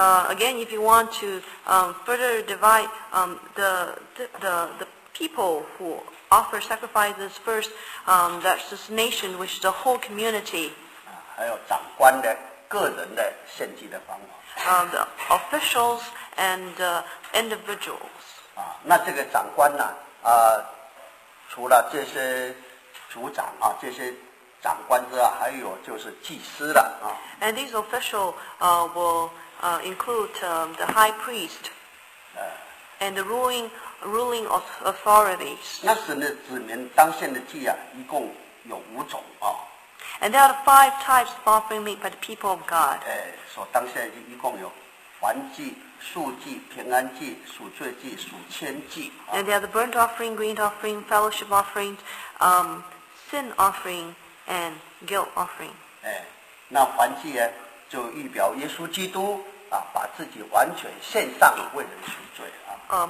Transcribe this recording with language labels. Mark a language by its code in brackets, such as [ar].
[en] Again, if you want to further divide the people who offer sacrifices first, that's this nation, which is the whole community. [zh] 还有长官的个人的献祭的方法。 [en] The officials and individuals. [zh] 那这个长官呢、啊？除了这些族长啊，这些长官之外，还有就是祭司了啊。 [en] And these official will include the high priest and the ruling authorities. [zh] 那时的子民当献的祭啊，一共有五种啊。 [en] And there are five types of offering made by the people of God. [zh] 所当献的祭一共有燔祭、素祭、平安祭、赎罪祭、赎愆祭。 [en] And there are the burnt offering, grain offering, fellowship offering, sin offering, and guilt offering. [zh] 那燔祭呢，就预表耶稣基督啊，把自己完全献上为人赎罪啊。